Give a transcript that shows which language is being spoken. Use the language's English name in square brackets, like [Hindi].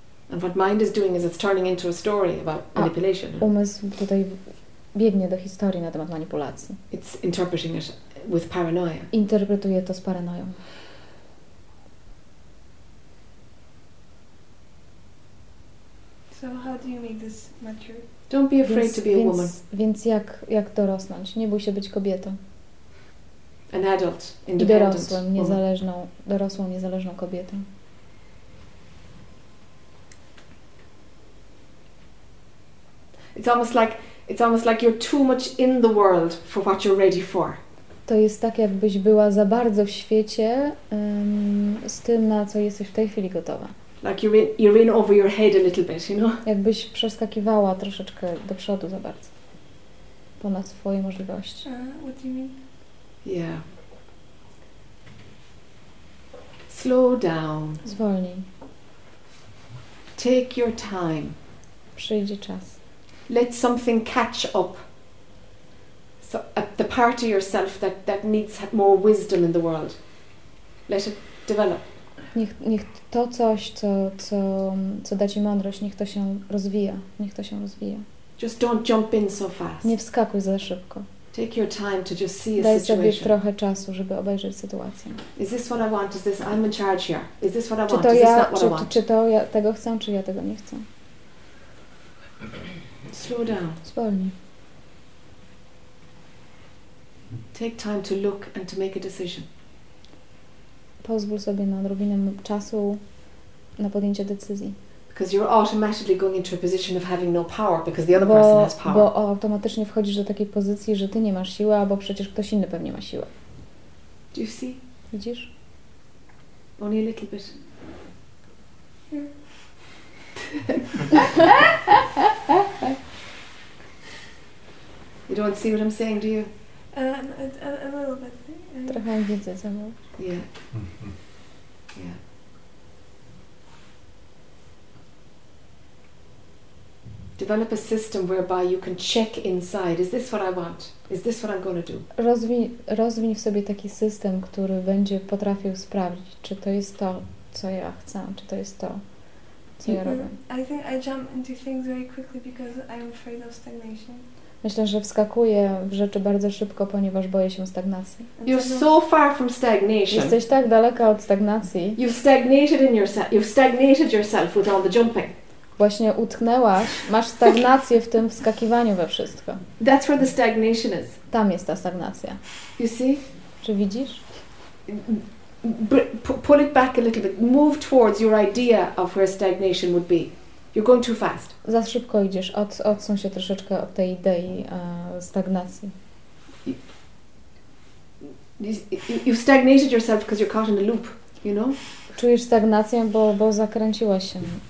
[English] And what mind is doing is it's turning into a story about manipulation. [Polish] Umysł tutaj biegnie do historii na temat manipulacji. [English] It's interpreting it with paranoia. [Polish] Interpretuje to z paranoją. [English] So how do you make this mature? Don't be afraid to be a woman. [Polish] Więc jak dorosnąć? Nie bój się być kobietą. [English] An adult, independent. [Polish] Dorosłą, niezależną kobietą. [English] It's almost like you're too much in the world for what you're ready for. [Polish] To jest tak, jakbyś była za bardzo w świecie z tym, na co jesteś w tej chwili gotowa. [English] Like you're in over your head a little bit, you know? [Polish] Jakbyś przeskakiwała troszeczkę do przodu za bardzo. Ponad swoje możliwości. [English] What do you mean? Yeah. Slow down. [Polish] Zwolnij. [English] Take your time. [Polish] Przyjdzie czas. [English] Let something catch up. So the part of yourself that needs more wisdom in the world. Let it develop. [Polish] Niech to coś, co da ci mądrość, niech to się rozwija. Niech to się rozwija. [English] Just don't jump in so fast. [Polish] Nie wskakuj za szybko. [English] Take your time to just see a [Polish] Daj [English] situation. [Polish] Sobie trochę czasu, żeby obejrzeć sytuację. [English] Is this what I want? Is this I'm in charge here? Is this what I want? [Polish] Czy to ja, czy to ja tego chcę, czy ja tego nie chcę? [English] Slow down. [Polish] Zwolnij. [English] Take time to look and to make a decision. [Polish] Pozwól sobie na odrobinę czasu na podjęcie decyzji. [English] Because you're automatically going into a position of having no power because the other person has power. [Polish] Bo automatycznie wchodzisz do takiej pozycji, że ty nie masz siły, albo przecież ktoś inny pewnie ma siłę. [English] Do you see? [Polish] Widzisz? [English] Only a little bit. You don't see what I'm saying, do you? A little bit. [Polish] Trochę widzę, co mówię. [English] Yeah. Develop a system whereby you can check inside. Is this what I want? Is this what I'm going to do? [Polish] Rozwiń w sobie taki system, który będzie potrafił sprawdzić, czy to jest to, co ja chcę, czy to jest to, co ja robię. [English] I think I jump into things very quickly because I'm afraid of stagnation. [Polish] Myślę, że wskakuję w rzeczy bardzo szybko, ponieważ boję się stagnacji. [English] You're so far from stagnation. [Polish] Jesteś tak daleka od stagnacji. [English] You've stagnated yourself with all the jumping. [Polish] Właśnie utknęłaś, masz stagnację w tym wskakiwaniu we wszystko. [English] That's where the stagnation is. [Polish] Tam jest ta stagnacja. [English] You see? [Polish] Czy widzisz? [English] Pull it back a little bit. Move towards your idea of where stagnation would be. You're going too fast. [Polish] Za szybko idziesz. Odsuń się troszeczkę od tej idei stagnacji. [English] You've stagnated yourself because you're caught in a loop, you know? [Polish] Czujesz stagnację, bo zakręciłaś się.